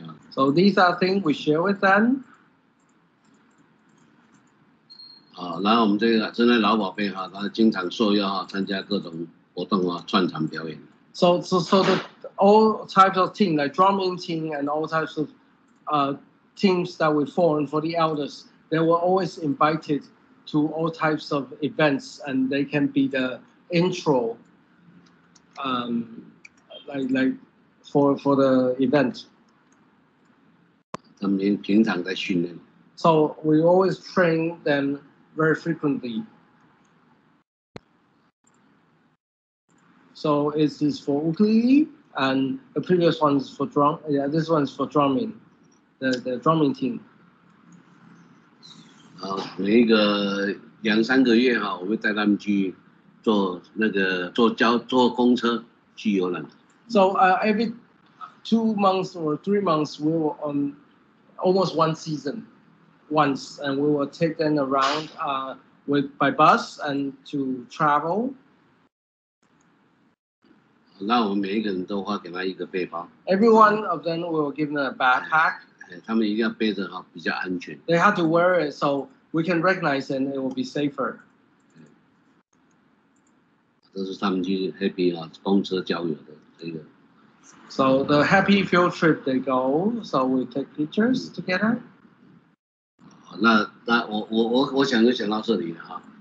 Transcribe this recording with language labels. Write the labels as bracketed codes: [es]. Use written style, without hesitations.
[en] So these are things we share with them. [zh] 好，然后我们这个这位老宝贝哈，他经常受邀参加各种活动啊，串场表演。 [en] So the all types of team, like drumming team and all types of teams that we form for the elders, they were always invited to all types of events, and they can be the intro, like for the event. [zh] 他们平常在训练。 [en] So we always train them very frequently. So it is for ukulele, and the previous one is for drum. Yeah, this one is for drumming, the drumming team. [zh] 每一个两三个月哈，我会带他们去坐那个坐公车去游览。 [en] So every 2 months or 3 months, we will on almost one season, once, and we will take them around with by bus and to travel. [zh] 那我们每一个人都会给他一个背包。 [en] Every one of them will give them a backpack. [zh] 他们一定要背着哈，比较安全。 [en] They have to wear it so we can recognize and it will be safer. [zh] 这是他们去 happy 啊，公车郊游的这个。 [en] So the happy field trip they go, so we take pictures together. [zh] 那我想就想到这里了哈。